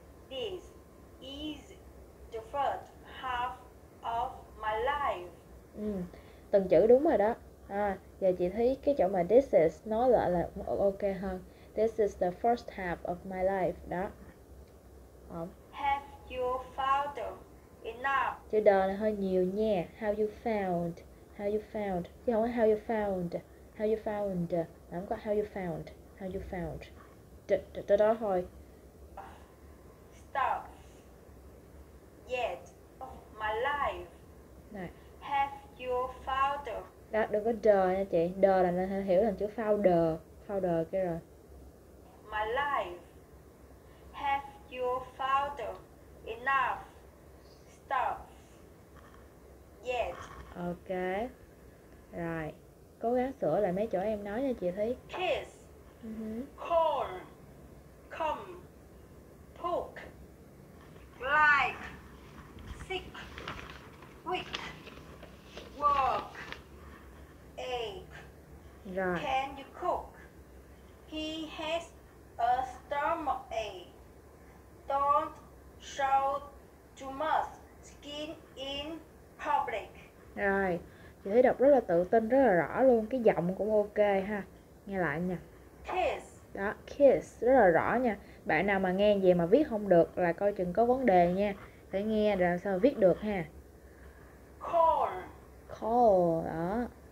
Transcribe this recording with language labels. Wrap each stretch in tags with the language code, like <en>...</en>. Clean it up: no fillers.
<en>This is the first half of my life.</en> <vi>Ừ, từng chữ đúng rồi đó. À, giờ chị thấy cái chỗ mà this is nó lại là ok hơn.</vi> <en>This is the first half of my life.</en> <vi>Đó.</vi> <en>Have you found enough?</en> <vi>Chữ đờ là hơi nhiều nha.</vi> <en>How you found? How you found?</en> <vi>Chứ không có</vi> <en>how you found. How you found?</en> <vi>Không có</vi> <en>how you found. How you found? Đó thôi. Stop. Yet of my life.</en> <vi>Này.</vi> <en>Have you found?</en> <vi>Đó, đừng có đờ nha chị. Đờ là hiểu là chữ founder. Founder cái rồi.</vi> <en>My life. Have you found enough stuff yet?</en> <vi>Ok. Rồi. Cố gắng sửa lại mấy chỗ em nói nha chị Thúy.</vi> <en>Kiss. Call. Come. Poke. Like. Sick. Weak. Work.</en> <vi>Rồi.</vi> <en>Can you cook? He has a stomachache. Don't show too much skin in public.</en> <vi>Rồi. Chị thấy đọc rất là tự tin, rất là rõ luôn. Cái giọng cũng ok ha. Nghe lại nha.</vi> <en>Kiss.</en> <vi>Đó, kiss, rất là rõ nha. Bạn nào mà nghe vậy mà viết không được là coi chừng có vấn đề nha. Để nghe rồi làm sao viết được ha.</vi> <en>Call. Call, đó.</en>